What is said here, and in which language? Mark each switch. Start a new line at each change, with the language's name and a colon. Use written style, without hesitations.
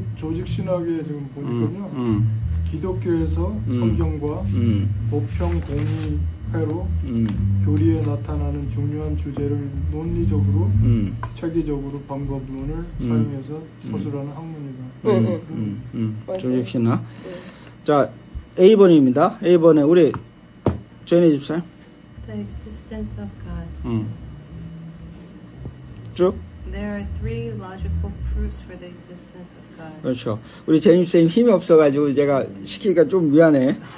Korean: 조직신학에 지금 보니까요. 기독교에서 성경과 보편 공의회로 교리에 나타나는 중요한 주제를 논리적으로, 체계적으로 방법론을 사용해서 서술하는 학문이다. 조직신학. 자, A번입니다. A번에 우리 제니 집사님.
English: The existence of God.
Korean: 쭉.
English: There are three logical proofs for the existence of God.
Korean: 그렇죠. 우리 제니 집사님 힘이 없어가지고 제가 시키기가 좀 미안해.